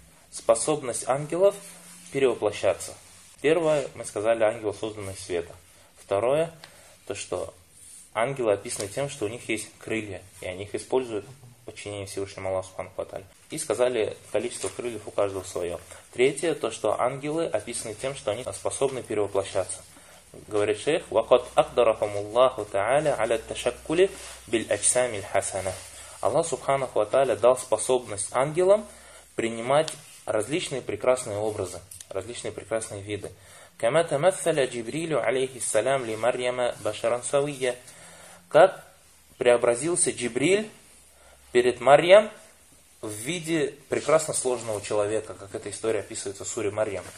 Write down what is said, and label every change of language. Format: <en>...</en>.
<ru>Способность ангелов перевоплощаться. Первое, мы сказали, ангелы созданы из света. Второе, то что ангелы описаны тем, что у них есть крылья, и они их используют в подчинении Всевышнему Аллаху Субханаху ва Тааля. И сказали, количество крыльев у каждого свое. Третье, то что ангелы описаны тем, что они способны перевоплощаться. Говорит шейх,</ru> <ar>وَقَدْ أَقْدَرَهُمُ اللَّهُ تَعَالَى عَلَى التَّشَكُّلِ بِالْأَجْسَامِ الْحَسَنَةِ.</ar> <ru>Аллах Субханаху ва Тааля дал способность ангелам принимать различные прекрасные образы, различные прекрасные виды.</ru> <ar>كَمَا تَمَثَّلَ جِبْرِيلُ عَلَيْهِ السَّلَامُ لِمَرْيَمَ بَشَرًا سَوِيَّ.</ar> <ru>Как преобразился Джибриль перед Марьям в виде прекрасно сложного человека, как эта история описывается в суре Марьям.</ru>